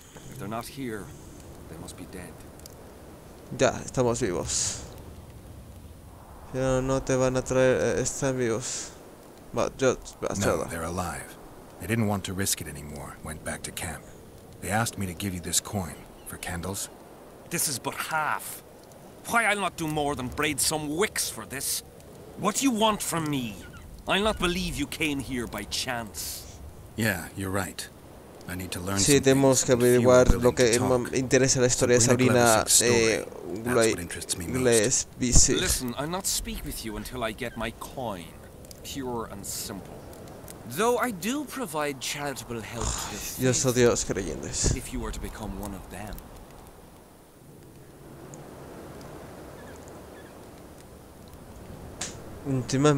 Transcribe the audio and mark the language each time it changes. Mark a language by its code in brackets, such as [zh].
[en] If they're not here, they must be dead. [es] Ya, estamos vivos. Pero no te van a traer, están vivos. [en] No, they're alive. They didn't want to risk it anymore, went back to camp. They asked me to give you this coin, for candles. This is but half. Why I'll not do more than braid some wicks for this? What do you want from me? I'll not believe you came here by chance. Yeah, you're right. [es] Sí, tenemos que averiguar lo que interesa a la historia de Sabrina. [en] Listen, I'll not speak with you until I get my coin. Pure and simple. Though I do provide charitable help to the faithful, if you were to become one of them.